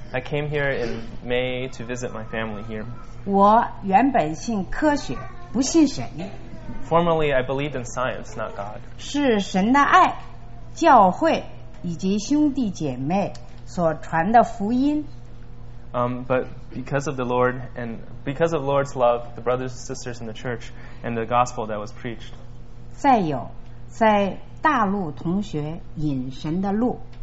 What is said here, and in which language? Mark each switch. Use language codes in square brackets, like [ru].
[en] I came here in May to visit my family here. [zh] 我原本信科学，不信神。 [en] Formerly, I believed in science, not God. [zh] 是神的爱、教会以及兄弟姐妹所传的福音。 [en] But because of the Lord and because of Lord's love, the brothers and sisters in the church and the gospel that was preached. [zh] 再有，在大陆同学引神的路。